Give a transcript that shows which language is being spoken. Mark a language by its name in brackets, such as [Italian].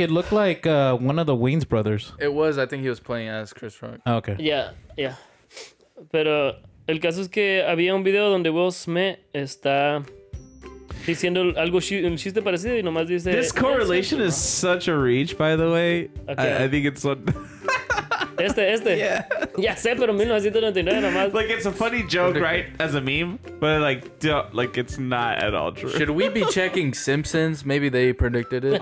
[English] It looked like one of the Wayans brothers. It was. I think he was playing as Chris Rock. Oh, okay. Yeah. [Spanish] Pero el caso es que había un video donde Will Smith está... diciendo algo un chiste parecido y nomás dice [English] this correlation is such a reach, by the way. Okay. I think it's one. este yeah. [Spanish] Ya sé, pero 1999 nomás. [English] Like it's a funny joke, right, as a meme, but like it's not at all true. Should we be checking Simpsons? Maybe they predicted it.